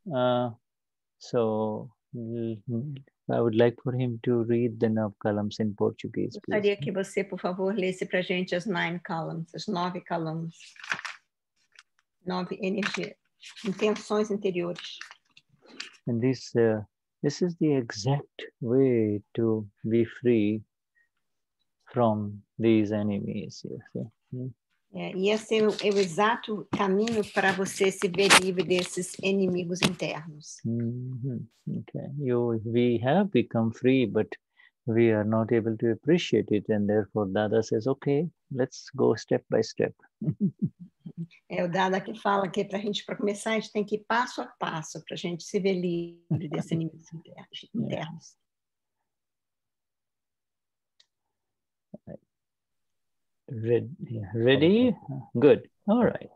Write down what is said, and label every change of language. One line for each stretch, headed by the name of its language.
English: I would like for him to read the Navakalams in Portuguese.
Portuguese: Eu gostaria que você, por favor, lesse para gente as
English: nine columns,
Portuguese: as nove columns. Nove energia, intenções interiores.
English: And this is the exact way to be free from these enemies. You see?
Portuguese: Yeah, e esse é o exato caminho para você se ver livre desses inimigos internos.
English: Mm-hmm. Okay. We have become free, but we are not able to appreciate it. And therefore, Dada says, okay, let's go step by step.
Portuguese: É o Dada que fala que para a gente, para começar, a gente tem que ir passo a passo para a gente se ver livre desses inimigos internos.
English: Yeah. Ready? Good. All right.